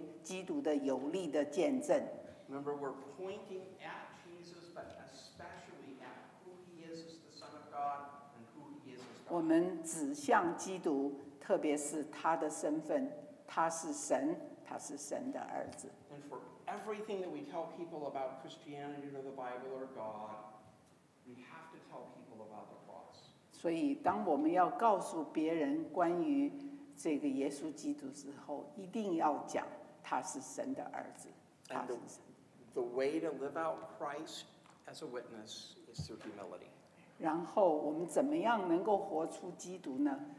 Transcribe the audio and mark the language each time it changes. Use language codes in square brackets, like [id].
[zh] 怎么样能够成为基督的有力的见证。 [en] Remember, we're pointing at Jesus, but especially at who he is as the Son of God and who he is as God. [zh] 我们指向基督, 特别是他的身份, 他是神, 他是神的儿子。 [en] And for everything that we tell people about Christianity or the Bible or God, we have to tell people about the cross. [zh] 所以当我们要告诉别人关于这个耶稣基督之后, 一定要讲他是神的儿子, 他是神。 [en] The way to live out Christ as a witness is through humility. [zh] 然后我们怎么样能够活出基督呢?